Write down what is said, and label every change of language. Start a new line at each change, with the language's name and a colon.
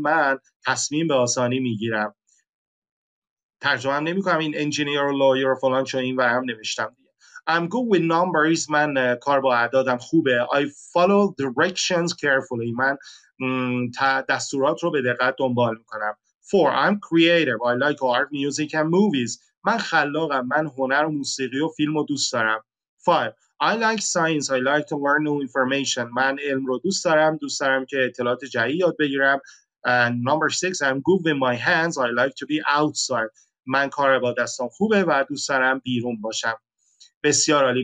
Persian: من تصمیم به آسانی می‌گیرم. ترجمه هم نمی‌کنم این انجینیر و لایر و فلان چون این ورم نوشتم دیگه.
English: I'm good with numbers.
Persian: من کار با اعدادم خوبه.
English: I follow directions carefully.
Persian: من دستورات رو به دقت دنبال می‌کنم.
English: 4 I'm creative. I like art, music and movies.
Persian: من خلاقم. من هنر و موسیقی و فیلم رو دوست دارم.
English: 5 I like science. I like to learn new information.
Persian: من علم رو دوست دارم. دوست دارم که اطلاعات جدید یاد بگیرم.
English: And number 6 I'm good with my hands. I like to be outside.
Persian: من کار با دستم خوبه و دوست دارم بیرون باشم. بسیار عالی.